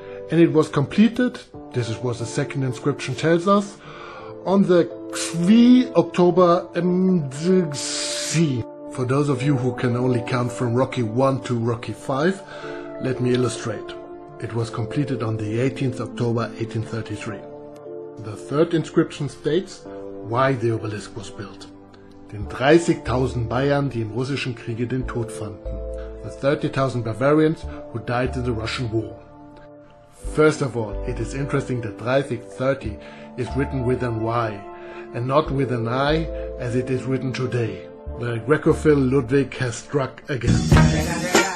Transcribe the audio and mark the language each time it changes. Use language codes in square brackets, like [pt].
[en] And it was completed, this is what the second inscription tells us, on the 3 October M.C. For those of you who can only count from Rocky 1 to Rocky 5, let me illustrate. It was completed on the 18th October 1833. The third inscription states why the obelisk was built. [de] Den 30.000 Bayern, die im russischen Kriege den Tod fanden. [en] The 30.000 Bavarians who died in the Russian War. First of all, it is interesting that 30 is written with an Y and not with an I as it is written today. The Greco-Phil Ludwig has struck again.